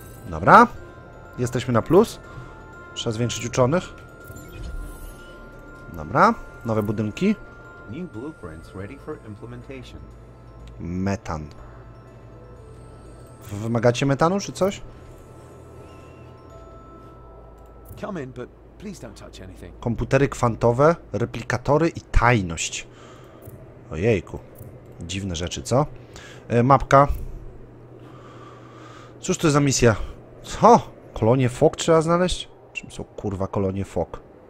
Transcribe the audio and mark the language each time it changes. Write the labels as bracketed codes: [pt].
[pl] Dobra. Jesteśmy na plus. Trzeba zwiększyć uczonych. Dobra. Nowe budynki. [en] New blueprints ready for implementation. [pl] Metan. Wymagacie metanu czy coś? [en] Come in, but please don't touch anything. [pl] Komputery kwantowe, replikatory i tajność. Ojejku. Dziwne rzeczy, co? Mapka. Cóż to jest za misja? Co? Kolonie Fok trzeba znaleźć? Czym są kurwa kolonie Fok?